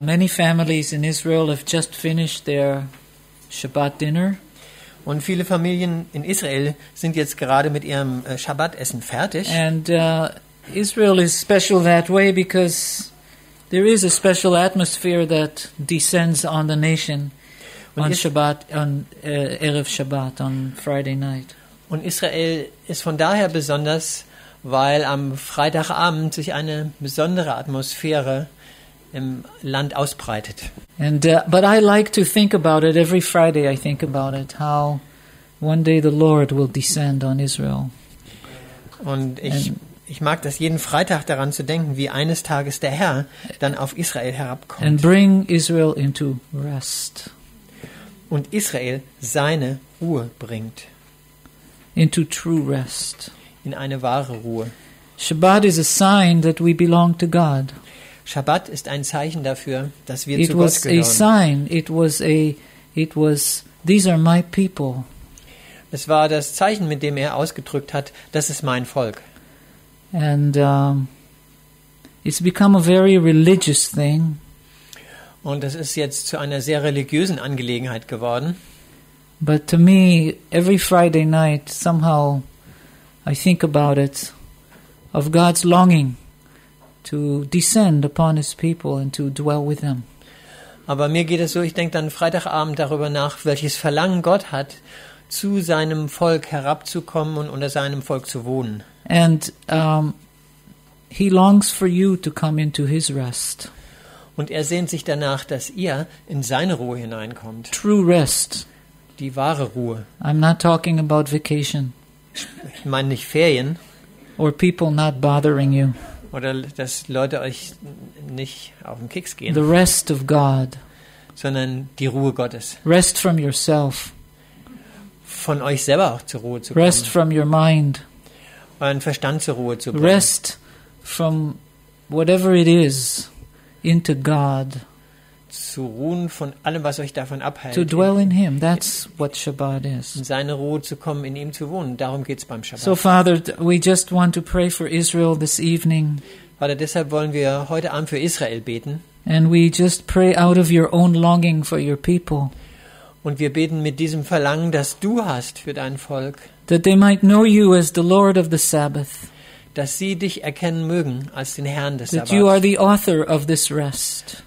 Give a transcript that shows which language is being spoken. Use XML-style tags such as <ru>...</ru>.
<en>Many families in Israel have just finished their Shabbat dinner.</en> <de>Und viele Familien in Israel sind jetzt gerade mit ihrem Shabbatessen fertig.</de> <en>And Israel is special that way because there is a special atmosphere that descends on the nation on Shabbat, on Erev Shabbat, on Friday night.</en> <de>Und Israel ist von daher besonders, weil am Freitagabend sich eine besondere Atmosphäre im Land ausbreitet.</de> <en>And but I like to think about it every Friday. I think about it how one day the Lord will descend on Israel.</en> <de>Und ich mag das jeden Freitag daran zu denken, wie eines Tages der Herr dann auf Israel herabkommt.</de> <en>And bring Israel into rest.</en> <de>Und Israel seine Ruhe bringt.</de> <en>Into true rest.</en> <de>In eine wahre Ruhe.</de> <en>Shabbat is a sign that we belong to God.</en> <de>Shabbat ist ein Zeichen dafür, dass wir</de> <en>it</en> <de>zu Gott gehören.</de> <en>It was a sign. It was. These are my people.</en> <de>Es war das Zeichen, mit dem er ausgedrückt hat: Das ist mein Volk.</de> <en>And it's become a very religious thing.</en> <de>Und es ist jetzt zu einer sehr religiösen Angelegenheit geworden.</de> <en>But to me, every Friday night, somehow, I think about it, of God's longing to descend upon his people and to dwell with them.</en> <de>Aber mir geht es so, ich denke dann Freitagabend darüber nach, welches Verlangen Gott hat, zu seinem Volk herabzukommen und unter seinem Volk zu wohnen.</de> <en>And he longs for you to come into his rest.</en> <de>Und er sehnt sich danach, dass ihr in seine Ruhe hineinkommt.</de> <en>True rest.</en> <de>Die wahre Ruhe.</de> <en>I'm not talking about vacation.</en> <de>Ich meine nicht Ferien.</de> <en>Or people not bothering you.</en> <de>Oder dass Leute euch nicht auf den Keks gehen.</de> <en>The rest of God.</en> <de>Sondern die Ruhe Gottes.</de> <en>Rest from yourself.</en> <de>Von euch selber auch zur Ruhe zu kommen.</de> <en>Rest from your mind.</en> <de>Euren Verstand zur Ruhe zu bringen.</de> <en>Rest from whatever it is into God.</en> <de>Zu ruhen von allem, was euch davon abhält.</de> <en>To dwell in him, that's what Shabbat is.</en> <de>In seine Ruhe zu kommen, in ihm zu wohnen, darum geht's beim Shabbat.</de> <en>So, Father, we just want to pray for Israel this evening.</en> <de>Vater, deshalb wollen wir heute Abend für Israel beten.</de> <en>And we just pray out of your own longing for your people.</en> <de>Und wir beten mit diesem Verlangen, das du hast für dein Volk.</de> <en>That they might know you as the Lord of the Sabbath.</en> <de>Dass sie dich erkennen mögen als den Herrn des Sabbats.</de> <en>That you are the author of this rest.</en>